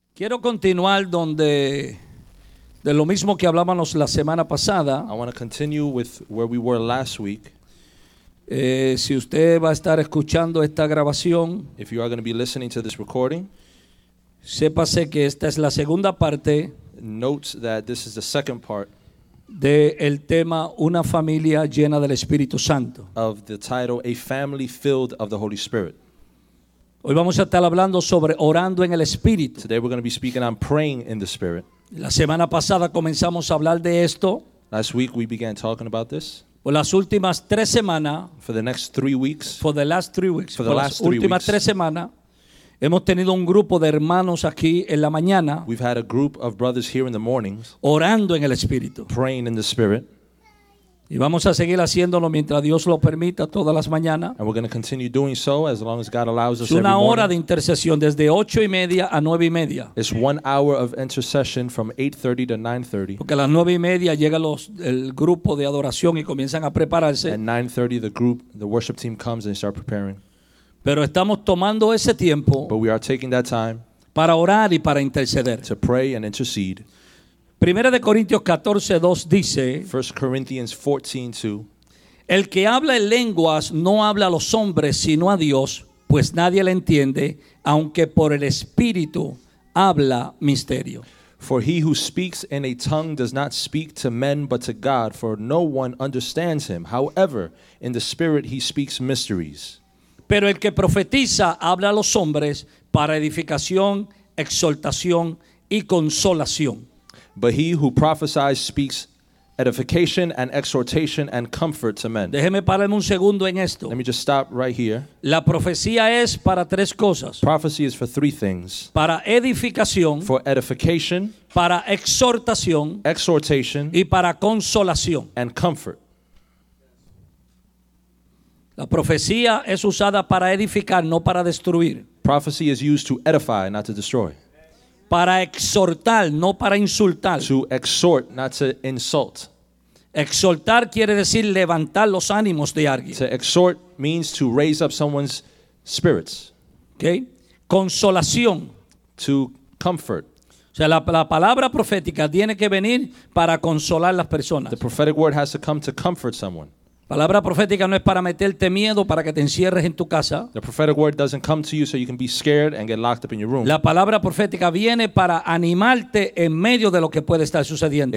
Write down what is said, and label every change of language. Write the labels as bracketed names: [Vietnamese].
[Spanish] Quiero continuar donde de lo mismo que hablábamos la semana pasada. [English] I want to continue with where we were last week. [Spanish] Si usted va a estar escuchando esta grabación, [English] if you are going to be listening to this recording, [Spanish] sépase que esta es la segunda parte. [English] Note that this is the second part. [Spanish] De el tema una familia llena del Espíritu Santo. [English] Of the title A Family Filled of the Holy Spirit. [Spanish] Hoy vamos a estar hablando sobre orando en el Espíritu. [English] Today we're going to be speaking on praying in the Spirit. [Spanish] La semana pasada comenzamos a hablar de esto. [English] Last week we began talking about this. [Spanish] Por las últimas tres semanas. [English] For the next 3 weeks. For the last 3 weeks. For the last 3 weeks. [Spanish] Las últimas tres semanas hemos tenido un grupo de hermanos aquí en la mañana. [English] We've had a group of brothers here in the mornings. [Spanish] Orando en el Espíritu. [English] Praying in the Spirit. [Spanish] Y vamos a seguir haciéndolo mientras Dios lo permita todas las mañanas. [English] And we're going to continue doing so as long as God allows us every morning. [Spanish] Es una hora de intercesión desde 8:30 to 9:30. [English] It's 1 hour of intercession from 8:30 to 9:30. [Spanish] Porque a las 9:30 llega el grupo de adoración y comienzan a prepararse. [English] At 9:30 the worship team comes and start preparing. [Spanish] Pero estamos tomando ese tiempo. [English] But we are taking that time. [Spanish] Para orar y para interceder. [English] To pray and intercede. [Spanish] 1 Corintios 14:2 dice, [English] 1 Corinthians 14:2, [Spanish] el que habla en lenguas no habla a los hombres sino a Dios, pues nadie le entiende, aunque por el Espíritu habla misterio. [English] For he who speaks in a tongue does not speak to men but to God, for no one understands him. However, in the Spirit he speaks mysteries. [Spanish] Pero el que profetiza habla a los hombres para edificación, exhortación y consolación. [English] But he who prophesies speaks edification and exhortation and comfort to men. [Spanish] Déjeme pararme un segundo en esto. [English] Let me just stop right here. [Spanish] La profecía es para tres cosas. [English] Prophecy is for 3 things. [Spanish] Para edificación. [English] For edification. [Spanish] Para exhortación. [English] Exhortation. [Spanish] Y para consolación. [English] And comfort. [Spanish] La profecía es usada para edificar, no para destruir. [English] Prophecy is used to edify, not to destroy. [Spanish] Para exhortar, no para insultar. [English] To exhort, not to insult. [Spanish] Exhortar quiere decir levantar los ánimos de alguien. [English] To exhort means to raise up someone's spirits. [Spanish] Okay. Consolación. [English] To comfort. [Spanish] O sea, la palabra profética tiene que venir para consolar las personas. [English] The prophetic word has to come to comfort someone. [Spanish] Palabra profética no es para meterte miedo para que te encierres en tu casa. [English] The prophetic word doesn't come to you so you can be scared and get locked up in your room. [Spanish] La palabra profética viene para animarte en medio de lo que puede estar sucediendo.